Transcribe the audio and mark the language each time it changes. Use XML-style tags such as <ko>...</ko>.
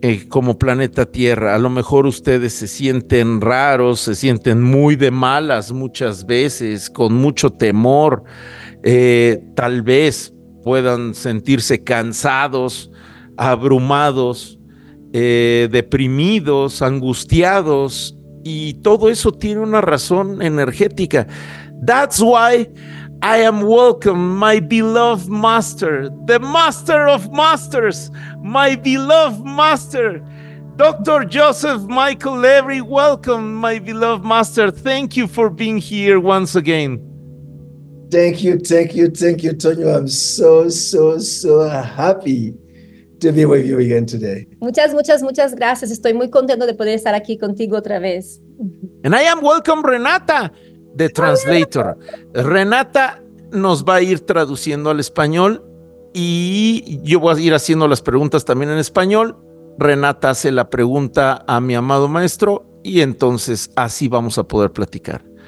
<es>Como planeta Tierra, a lo mejor ustedes se sienten raros, se sienten muy de malas muchas veces, con mucho temor, tal vez puedan sentirse cansados, abrumados, deprimidos, angustiados, y todo eso tiene una razón energética.</es> <en>That's why I am welcome, my beloved master, the master of masters, my beloved master, Dr. Joseph Michael Levry. Welcome, my beloved master. Thank you for being here once again. Thank you, thank you, thank you, Toño. I'm so, so, so happy to be with you again today.</en> <es>Muchas, muchas, muchas gracias. Estoy muy contento de poder estar aquí contigo otra vez.</es> <en>And I am welcome, Renata, the translator.</en> <es>Renata nos va a ir traduciendo al español y yo voy a ir haciendo las preguntas también en español. Renata hace la pregunta a mi amado maestro y entonces así vamos a poder platicar.</es>